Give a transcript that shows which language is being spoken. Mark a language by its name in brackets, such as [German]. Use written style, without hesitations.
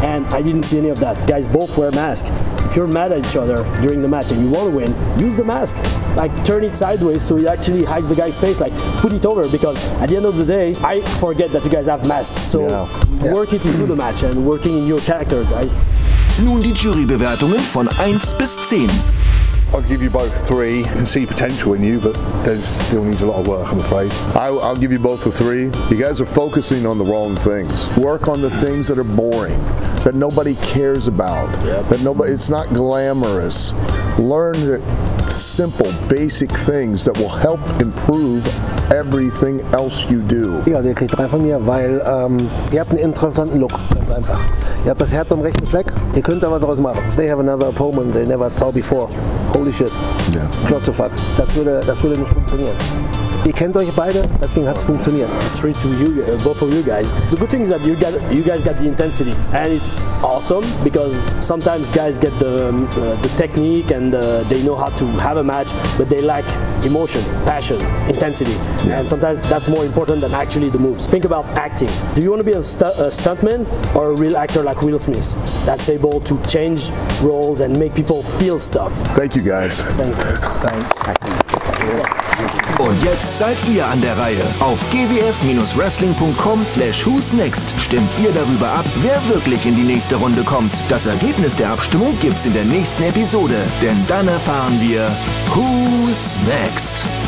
[English] And I didn't see any of that. Guys both wear masks. If you're mad at each other during the match and you want to win, use the mask. Like, turn it sideways so it actually hides the guy's face. Like, put it over, because at the end of the day, I forget that you guys have masks. So work it into the match and working in your characters, guys. [German] Nun die Jurybewertungen von 1 bis 10. [English] I'll give you both 3. I can see potential in you, but there still needs a lot of work, I'm afraid. I'll give you both a 3. You guys are focusing on the wrong things. Work on the things that are boring, that nobody cares about, that nobody, it's not glamorous. Learn the simple, basic things that will help improve everything else you do. [German] Ja, der kriegt 3 von mir, weil ihr habt einen interessanten Look, ganz einfach. Ihr habt das Herz am rechten Fleck, ihr könnt da was draus machen. [English] They have another opponent they never saw before. Holy shit. Yeah. [German] Klosterfuck. Das würde nicht funktionieren. Ihr kennt euch beide, deswegen hat es funktioniert. [English] 3 to you, both of you guys. The good thing is that you guys got the intensity. And it's awesome, because sometimes guys get the technique and they know how to have a match, but they lack emotion, passion, intensity. Yeah. And sometimes that's more important than actually the moves. Think about acting. Do you want to be a stuntman or a real actor like Will Smith that's able to change roles and make people feel stuff? Thank you, guys. Thanks. [German] Und jetzt seid ihr an der Reihe. Auf gwf-wrestling.com/whosnext stimmt ihr darüber ab, wer wirklich in die nächste Runde kommt. Das Ergebnis der Abstimmung gibt's in der nächsten Episode, denn dann erfahren wir, [English] who's next.